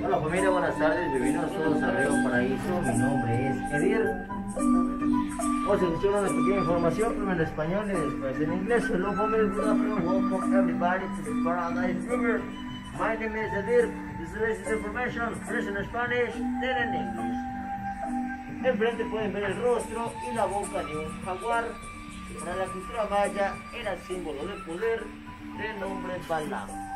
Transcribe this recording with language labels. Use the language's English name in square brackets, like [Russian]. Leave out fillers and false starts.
[Spanish] Mira, buenas tardes, bienvenidos a todos a Río Paraíso. Mi nombre es Edir. Vamos a iniciar una pequeña información, primero en español y después en inglés. [English] Hello, family, good afternoon, welcome everybody to the Paradise River. My name is Edir. This is the information, first in Spanish, then in English. [Spanish] Enfrente pueden ver el rostro y la boca de un jaguar. Para la cultura maya era el símbolo de poder del hombre Balam.